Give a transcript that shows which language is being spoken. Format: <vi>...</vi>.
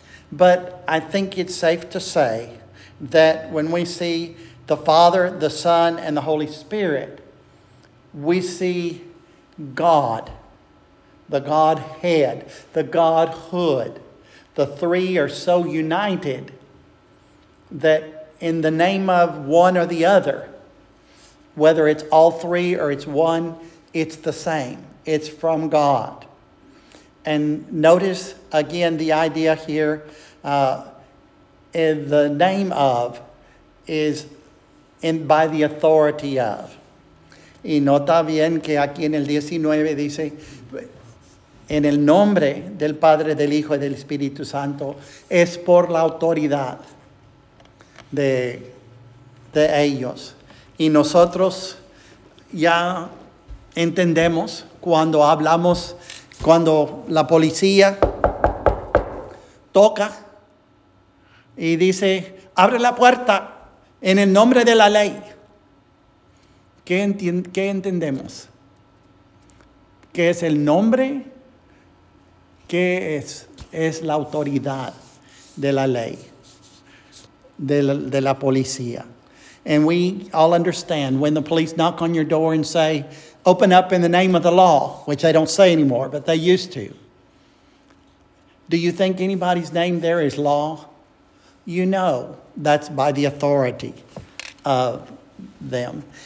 <en>But I think it's safe to say that when we see the Father, the Son, and the Holy Spirit, we see God, the Godhead, the Godhood, the three are so united that in the name of one or the other, whether it's all three or it's one, it's the same. It's from God. And notice again the idea here, in the name of is in by the authority of.</en> <es>Y nota bien que aquí en el 19 dice, en el nombre del Padre, del Hijo y del Espíritu Santo, es por la autoridad de ellos. Y nosotros ya entendemos cuando hablamos, cuando la policía toca y dice, abre la puerta en el nombre de la ley. ¿Qué entendemos? ¿Qué es el nombre? ¿Qué es la autoridad de la ley, de la policía?</es> <en>And we all understand when the police knock on your door and say, open up in the name of the law, which they don't say anymore, but they used to. Do you think anybody's name there is law? You know that's by the authority of them.</en>